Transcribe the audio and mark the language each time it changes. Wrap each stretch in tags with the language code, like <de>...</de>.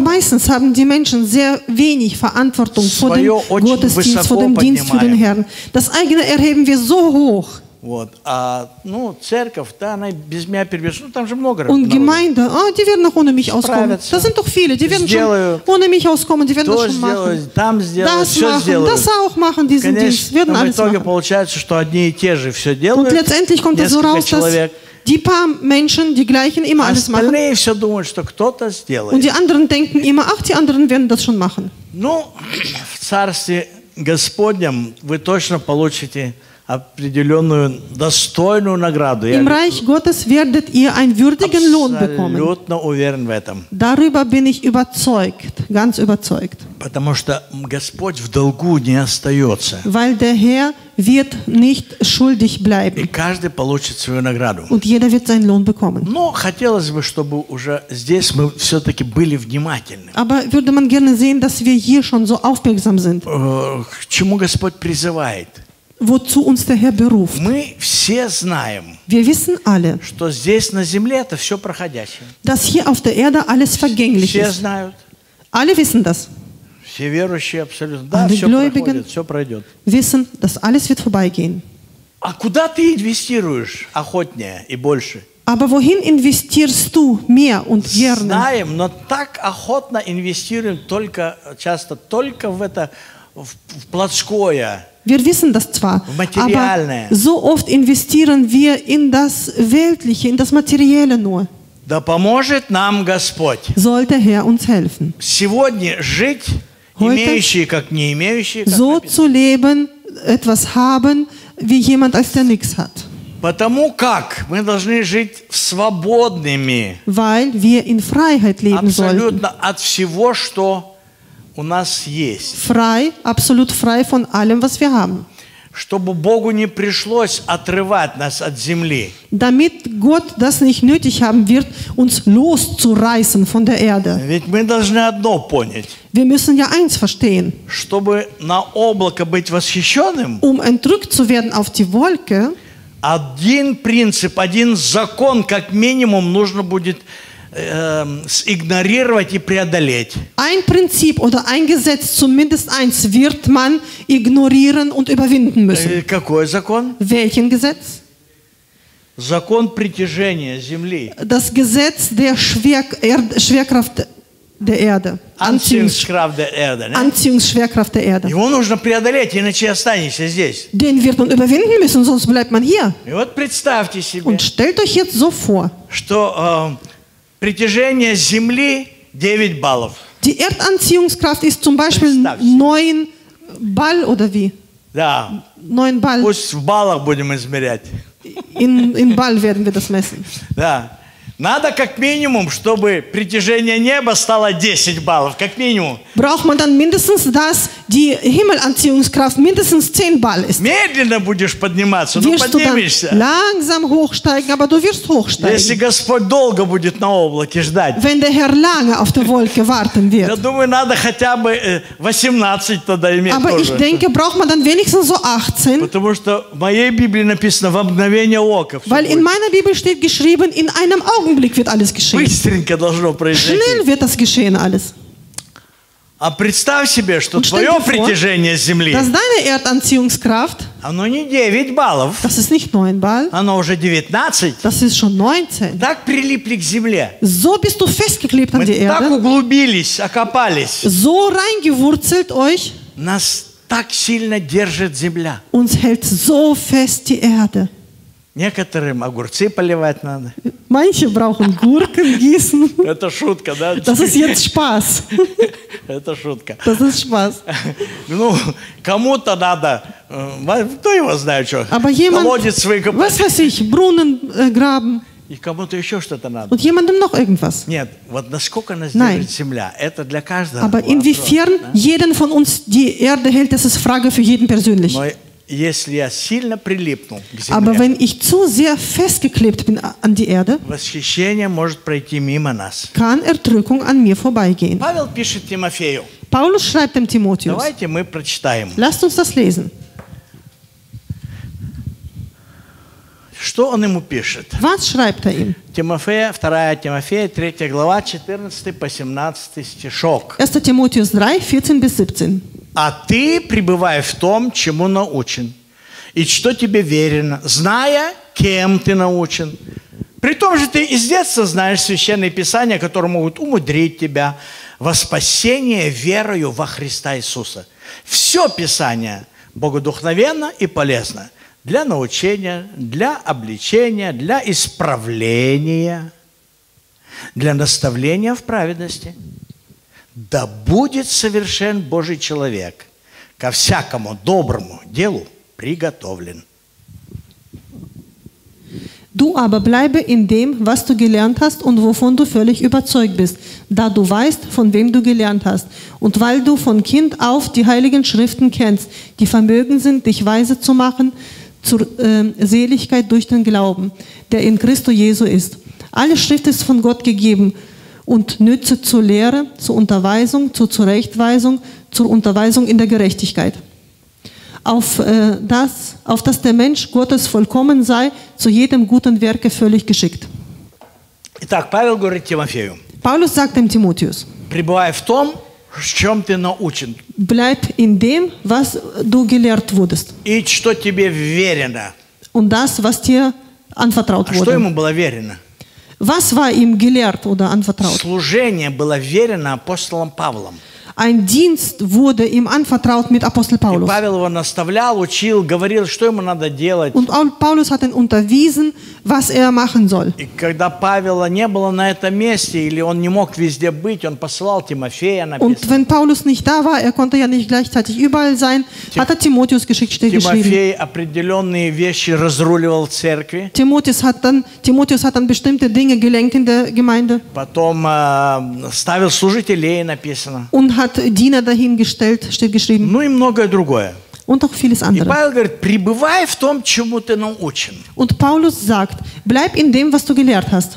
<de>meistens haben die Menschen sehr wenig Verantwortung vor dem Gottesdienst, vor dem Dienst für den Herrn. Das eigene erheben wir so hoch.</de> <ru>Вот. А, ну, церковь, да, она без меня перебежит. Ну, там же много</ru> <de>Und Gemeinde,</de> <ru>народу.</ru> <de>Die werden noch ohne mich auskommen. Das sind doch viele. Die werden</de> <ru>сделаю.</ru> <de>Schon ohne mich auskommen. Die werden</de> <ru>То</ru> <de>das schon</de> <ru>сделаю,</ru> <de>machen.</de> <ru>Там сделаю,</ru> <de>das</de> <ru>все</ru> <de>machen.</de> <ru>Сделаю.</ru> <de>Das auch machen, diesen</de> <ru>Конечно,</ru> <de>Dienst. Werden alles machen.</de> <ru>В итоге получается, что одни и те же все делают.</ru> <de>Und letztendlich kommt es so raus,</de> <ru>человек.</ru> <de>Dass die paar Menschen, die gleichen, immer alles machen.</de> <ru>Остальные все думают, что кто-то сделает.</ru> <de>Und die anderen denken immer, ach, die anderen werden das schon machen.</de> <ru>Ну, в Царстве Господнем вы точно получите определенную достойную награду.</ru> <de>Im Reich Gottes werdet ihr einen würdigen Lohn bekommen.</de> <ru>Абсолютно уверен в этом.</ru> <de>Darüber bin ich überzeugt, ganz überzeugt.</de> <ru>Потому что Господь в долгу не остается.</ru> <de>Weil der Herr wird nicht schuldig bleiben.</de> <ru>И каждый получит свою награду.</ru> <de>Und jeder wird seinen Lohn bekommen.</de> <ru>Но хотелось бы, чтобы уже здесь мы все-таки были внимательны.</ru> <de>Aber würde man gerne sehen, dass wir hier schon so aufmerksam sind.</de> <ru>К чему Господь призывает?</ru> <de>Wozu uns der Herr beruft.</de> <ru>Мы все знаем,</ru> <de>Wir wissen alle,</de> <ru>что здесь на земле это все проходящее.</ru> <de>Dass hier auf der Erde alles vergänglich</de> <ru>все</ru> <de>ist.</de> <ru>Все знают.</ru> <de>Alle wissen das.</de> <ru>Все верующие абсолютно. Да, все проходит, все пройдет.</ru> <de>Wissen, dass alles wird vorbeigehen.</de> <ru>А куда ты инвестируешь охотнее и больше?</ru> <de>Aber wohin investierst du mehr und gerne?</de> <ru>Знаем, но так охотно инвестируем только, часто только в это, в плотское.</ru> <de>Wir wissen das zwar, aber so oft investieren wir in das Weltliche, in das Materielle nur.</de> <ru>Да поможет нам Господь.</ru> <de>Sollte Herr uns helfen.</de> <ru>Сегодня жить,</ru> <de>Heute</de> <ru>имеющие, как не имеющие, как</ru> <de>so</de> <ru>написано.</ru> <de>Zu leben, etwas haben, wie jemand, als der nichts hat.</de> <ru>Потому как мы должны жить свободными.</ru> <de>Weil wir in Freiheit leben</de> <ru>Абсолютно</ru> <de>sollten.</de> <ru>От всего, что У нас есть.</ru> <de>Frei, absolut frei von allem, was wir haben.</de> <ru>Чтобы Богу не пришлось отрывать нас от земли.</ru> <de>Damit Gott das nicht nötig haben wird, uns loszureißen von der Erde.</de> <ru>Ведь мы должны одно понять.</ru> <de>Wir müssen ja eins verstehen.</de> <ru>Чтобы на облако быть восхищенным.</ru> <de>Um entrückt zu werden auf die Wolke.</de> <ru>Один принцип, один закон, как минимум, нужно будет игнорировать и преодолеть.</ru> <de>Ein Prinzip oder ein Gesetz, zumindest eins, wird man ignorieren und überwinden müssen.</de> <ru>Какой закон?</ru> <de>Welchen Gesetz?</de> <ru>Закон притяжения земли.</ru> <de>Das Gesetz der Schwerkraft der Erde. Anziehungskraft der Erde. Ne? Anziehungsschwerkraft der Erde.</de> <ru>Его нужно преодолеть, иначе останешься здесь.</ru> <de>Den wird man überwinden müssen, sonst bleibt man hier.</de> <ru>И вот представьте себе.</ru> <de>Und stellt euch jetzt so vor,</de> <ru>что притяжение земли 9 баллов.</ru> <de>Die Erdanziehungskraft ist zum Beispiel 9 Ball oder wie?</de> <ru>Да.</ru> <de>9 Ball.</de> <ru>Пусть в баллах будем измерять.</ru> <de>In Ball werden wir das messen.</de> <ru>Да. Надо как минимум, чтобы притяжение неба стало 10 баллов, как минимум.</ru> <de>Braucht man dann mindestens, dass die Himmelanziehungskraft mindestens 10 Ball ist.</de> <ru>Медленно будешь подниматься, ну поднимешься.</ru> <de>Langsam hochsteigen, aber du wirst hochsteigen.</de> <ru>Если Господь долго будет на облаке ждать.</ru> <de>Wenn der Herr lange auf der Wolke warten wird.</de> <ru>Я думаю, надо хотя бы 18 тогда иметь</ru> <de>aber</de> <ru>тоже.</ru> <de>Aber ich denke, braucht man dann wenigstens so 18.</de> <ru>Потому что в моей Библии написано «во мгновение ока».</ru> <de>Weil in meiner Bibel steht geschrieben «in einem Augen». Augenblick wird alles geschehen.</de> <ru>Быстренько должно произойти.</ru> <de>Schnell wird das geschehen alles.</de> <ru>А представь себе, что твое притяжение земли.</ru> <de>Das deine Erdanziehungskraft.</de> <ru>Оно не 9 баллов.</ru> <de>Das ist nicht 9 Ball.</de> <ru>Оно уже 19.</ru> <de>Das ist schon 19.</de> <ru>Так прилипли к земле.</ru> <de>So bist du festgeklebt an die Erde.</de> <ru>Мы так углубились, окопались.</ru> <de>So reingewurzelt euch.</de> <ru>Нас так сильно держит земля.</ru> <de>Uns hält so fest die Erde.</de> <ru>Некоторым огурцы поливать надо.</ru> <de>Manche brauchen Gurken gießen.</de> <ru>Это шутка, да?</ru> <de>Das ist jetzt Spaß.</de> <ru>Это шутка.</ru> <de>Das ist Spaß.</de> <ru>Ну, кому-то надо, кто его знает, что?</ru> <de>Aber jemand,</de> <ru>колодец выкопать.</ru> <de>Was weiß ich, Brunnen graben.</de> <ru>И кому-то еще что-то надо.</ru> <de>Und jemandem noch irgendwas.</de> <ru>Нет, вот насколько нас</ru> <de>Nein.</de> <ru>держит земля, это для каждого.</ru> <de>Aber inwiefern jeden von uns die Erde hält, das ist Frage für jeden persönlich.</de> <ru>Но Если я сильно прилипну к земле,</ru> <de>aber wenn ich zu sehr festgeklebt bin an die Erde,</de> <ru>восхищение может пройти мимо нас.</ru> <de>Kann Erdrückung an mir vorbeigehen.</de> <ru>Павел пишет Тимофею.</ru> <de>Paulus schreibt dem Timotheus.</de> <ru>Давайте мы прочитаем.</ru> <de>Lasst uns das lesen.</de> <ru>Что он ему пишет?</ru> <de>Was schreibt er ihm?</de> <ru>Тимофея, 2 Тимофея, 3 глава, 14 по 17 стишок.</ru> <de>1 Timotheus 3, 14 bis 17.</de> <ru>А ты пребывай в том, чему научен, и что тебе верено, зная, кем ты научен. При том же ты из детства знаешь священные писания, которые могут умудрить тебя во спасение верою во Христа Иисуса. Все писание богодухновенно и полезно для научения, для обличения, для исправления, для наставления в праведности. Да будет совершен Божий человек, ко всякому доброму делу приготовлен.</ru> <de>Du aber bleibe in dem, was du gelernt hast und wovon du völlig überzeugt bist, da du weißt, von wem du gelernt hast, und weil du von Kind auf die heiligen Schriften kennst, die vermögen sind, dich weise zu machen zur Seligkeit durch den Glauben, der in Christo Jesu ist. Alle Schrift ist von Gott gegeben, und nütze zur Lehre, zur Unterweisung, zur Zurechtweisung, zur Unterweisung in der Gerechtigkeit. Auf das der Mensch Gottes vollkommen sei, zu jedem guten Werke völlig geschickt.</de> <ru>Итак, Павел говорит Тимофею,</ru> <de>Paulus sagt dem Timotheus,</de> <ru>пребывай в том, в чем ты научен.</ru> <de>Bleib in dem, was du gelehrt wurdest.</de> <ru>И что тебе верено.</ru> <de>Und das, was dir anvertraut wurde.</de> <ru>А что ему было верено?</ru> <de>Was war ihm gelehrt oder anvertraut?</de> <ru>Служение было верено апостолом Павлом.</ru> <de>Ein Dienst wurde ihm anvertraut mit Apostel Paulus.</de> <ru>И Павел его наставлял, учил, говорил, что ему надо делать.</ru> <de>Und Paulus hat ihn unterwiesen, was er machen soll.</de> <ru>И когда Павла не было на этом месте, или он не мог везде быть, он посылал Тимофея, написано.</ru> <de>Und wenn Paulus nicht da war, er konnte ja nicht gleichzeitig überall sein, hat er Timotheus geschickt, steht</de> <ru>Тимофей</ru> <de>geschrieben.</de> <ru>Тимофей определенные вещи разруливал в церкви.</ru> <de>Timotheus hat dann bestimmte Dinge gelenkt in der Gemeinde.</de> <ru>Потом ставил служителей, написано.</ru> <de>Und hat Diener dahingestellt, steht geschrieben.</de> <ru>Ну и многое другое.</ru> <de>Und auch vieles andere.</de> <ru>И Павел говорит, пребывай в том, чему ты научен.</ru> <de>Und Paulus sagt, bleib in dem, was du gelehrt hast.</de>